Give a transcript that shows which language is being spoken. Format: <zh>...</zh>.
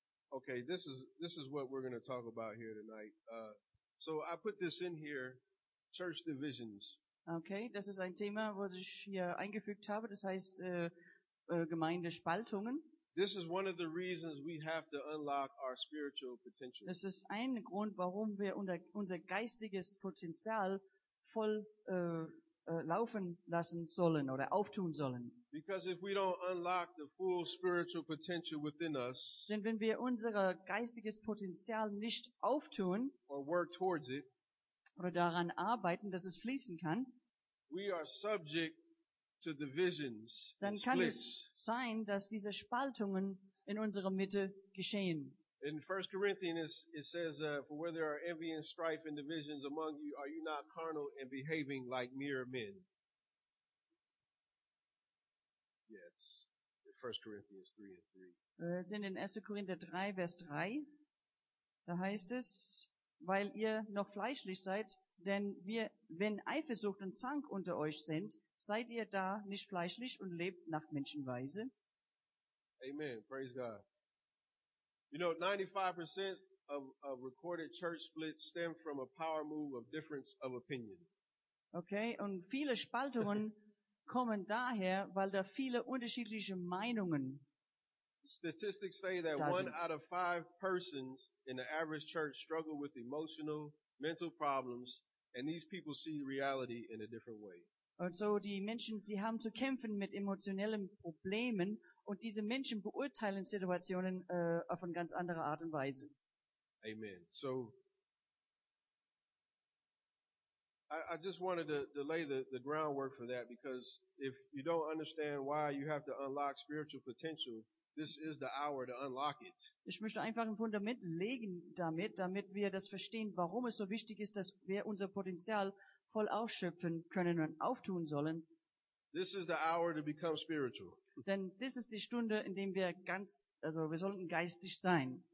<en>Okay, this is what we're going to talk about here tonight. So I put this in here, church divisions.</en> <de>Okay, das ist ein Thema, was ich hier eingefügt habe. Das heißt Gemeindespaltungen.</de> <en>This is one of the reasons we have to unlock our spiritual potential.</en> <de>Das ist ein Grund, warum wir unser geistiges Potenzial voll laufen lassen sollen oder auftun sollen.</de> <en>Because if we don't unlock the full spiritual potential within us,</en> <de>denn wenn wir unser geistiges Potenzial nicht auftun</de> <en>or work towards it,</en> <de>oder daran arbeiten, dass es fließen kann,</de> <en>we are subject to divisions,</en> <de>dann kann es sein, dass diese Spaltungen in unserer Mitte geschehen.</de> <en>In 1 Corinthians it says, for where there are envy and strife and divisions among you, are you not carnal and behaving like mere men? Yes. In 1 Corinthians 3 and 3.</en> <de>Wir sind in 1. Korinther 3, Vers 3. Da heißt es, weil ihr noch fleischlich seid, denn wir, wenn Eifersucht und Zank unter euch sind, seid ihr da nicht fleischlich und lebt nach Menschenweise?</de> <en>Amen. Praise God. You know, 95% of recorded church splits stem from a power move of difference of opinion.</en> <de>Okay, und viele Spaltungen kommen daher, weil da viele unterschiedliche Meinungen.</de> <en>Statistics say that one out of five persons in the average church struggle with emotional, mental problems, and these people see reality in a different way.</en> <de>Und so die Menschen, sie haben zu kämpfen mit emotionellen Problemen. Und diese Menschen beurteilen Situationen auf eine ganz andere Art und Weise. Amen.</de> <en>So, I just wanted to lay the groundwork for that, because if you don't understand why you have to unlock spiritual potential, this is the hour to unlock it.</en> <de>Ich möchte einfach ein Fundament legen damit, damit wir das verstehen, warum es so wichtig ist, dass wir unser Potenzial voll ausschöpfen können und auftun sollen.</de> <en>This is the hour to become spiritual.</en> <de>Denn das ist die Stunde, in der wir ganz, also wir sollten geistig sein.</de>